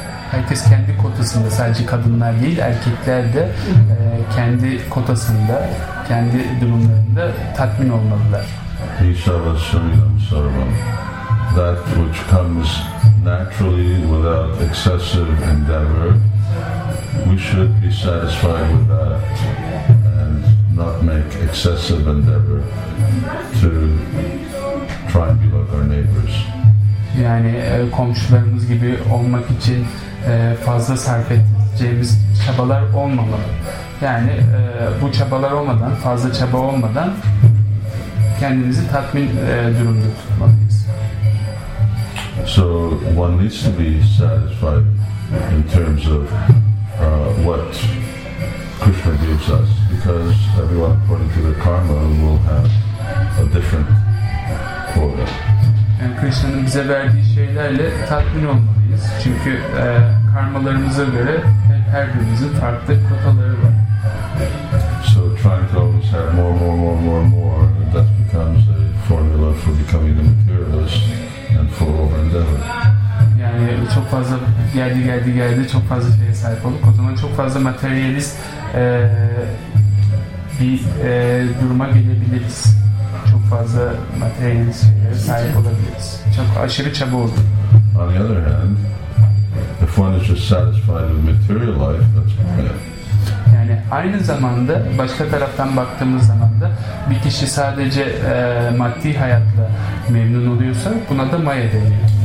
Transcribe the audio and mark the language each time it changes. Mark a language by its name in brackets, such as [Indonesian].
[Turkish] Herkes kendi kotasında, sadece kadınlar değil, erkekler de kendi kotasında, kendi durumlarında tatmin olmalılar. İnşallah assuming sorumlu. [English] That which comes naturally without excessive endeavor, we should be satisfied with that and not make excessive endeavor to try and be like our neighbors. [Turkish] Yani komşularımız gibi olmak için fazla sarf edeceğimiz çabalar olmamalı. Yani bu çabalar olmadan, fazla çaba olmadan kendimizi tatmin durumda tutmalıyız. [English] So one needs to be satisfied in terms of what Krishna gives us, because everyone according to their karma will have a different quota. [Turkish] Yani Krishna'nın bize verdiği şeylerle tatmin olmalıyız. Çünkü karmalarımıza göre her birimizin farklı kotaları var. [English] So trying to always have more, more, more, more, more, and that becomes a formula for becoming a materialist and for over endeavor. [Turkish] Yani çok fazla geldi, geldi, geldi, çok fazla şeye sahip olduk. O zaman çok fazla materyalist bir duruma gelebiliriz. Çok fazla materyalist şeylere sahip olabiliriz. Çok aşırı çaba olur. [English] On the other hand, if one is just satisfied with material life, that's okay. [Turkish] Yani aynı zamanda başka taraftan baktığımız zaman da bir kişi sadece maddi hayatla memnun oluyorsa buna da maya deniyor.